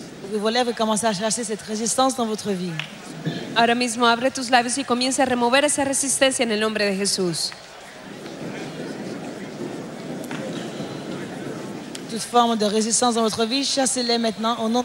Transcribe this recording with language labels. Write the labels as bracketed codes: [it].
[fr] Vous voulez commencer à chercher cette résistance dans votre vie. [es] Ahora mismo abre tus labios y comienza a remover esa resistencia en el nombre de Jesús. [fr] Toute forme de résistance dans votre vie, chassez-les maintenant au nom.